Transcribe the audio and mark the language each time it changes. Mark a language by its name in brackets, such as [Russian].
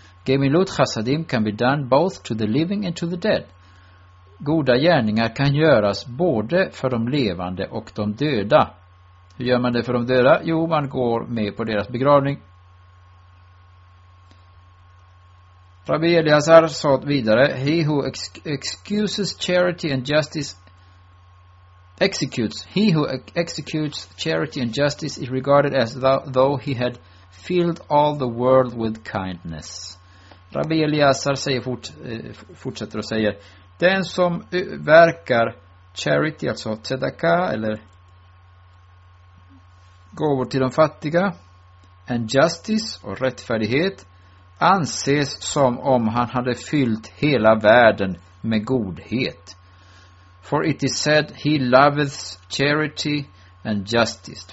[English] Gemilut chassadim can be done both to the living and to the dead. [Swedish] Goda gärningar kan göras både för de levande och de döda. Hur gör man det för de döda? Jo, man går med på deras begravning. [English] Rabbi Eliezer [Swedish] sa vidare: [English] He who excuses charity and justice executes. He who executes charity and justice is regarded as though he had filled all the world with kindness. [Swedish] Rabbi Eliezer fortsätter och säger: Den som verkar charity, alltså tzedaka, eller gåvor till de fattiga, [English] and justice, [Swedish] och rättfärdighet, anses som om han hade fyllt hela världen med godhet. [English] For it is said, he loves charity and justice.